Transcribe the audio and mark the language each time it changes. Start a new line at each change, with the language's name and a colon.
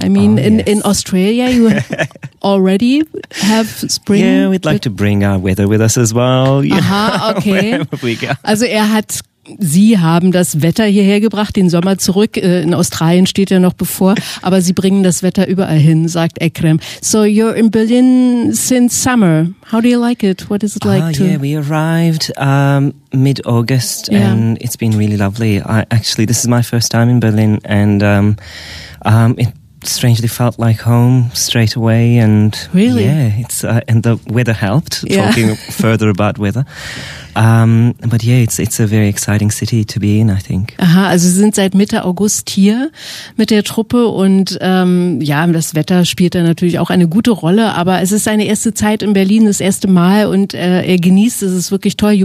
English: I mean, in Australia, you already have spring. Yeah, we'd like to bring our weather with us as well.
German: Okay. Also er hat... Sie haben das Wetter hierher gebracht, den Sommer zurück. In Australien steht ja noch bevor, aber Sie bringen das Wetter überall hin, sagt Ekrem.
English: So you're in Berlin since summer. How do you like it? What is it like to... Yeah, we arrived mid-August and it's been really lovely. This is my first time in Berlin and it strangely felt like home straight away. And really? Yeah, it's and the weather helped, talking further about weather. But yeah, it's a very exciting city to be in, I think.
German: Aha, also Sie sind seit Mitte August hier mit der Truppe und das Wetter spielt da natürlich auch eine gute Rolle, aber es ist seine erste Zeit in Berlin, das erste Mal und er genießt es, ist wirklich toll.